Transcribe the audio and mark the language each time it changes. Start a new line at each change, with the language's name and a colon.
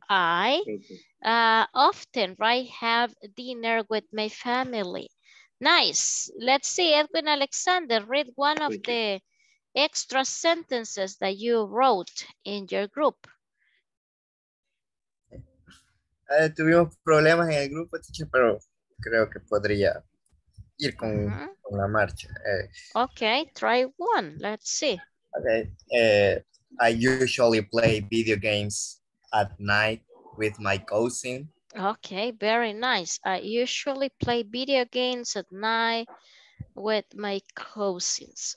English: I often, right, have dinner with my family. Nice. Let's see, Edwin Alexander, read one of the extra sentences that you wrote in your group.
Spanish: Tuvimos problemas en el grupo, teacher, pero creo que podría ir con, uh-huh, con la marcha.
English: Okay, try one. Let's see. Okay. I usually play video games at night with my cousin. Okay, very nice. I usually play video games at night with my cousins.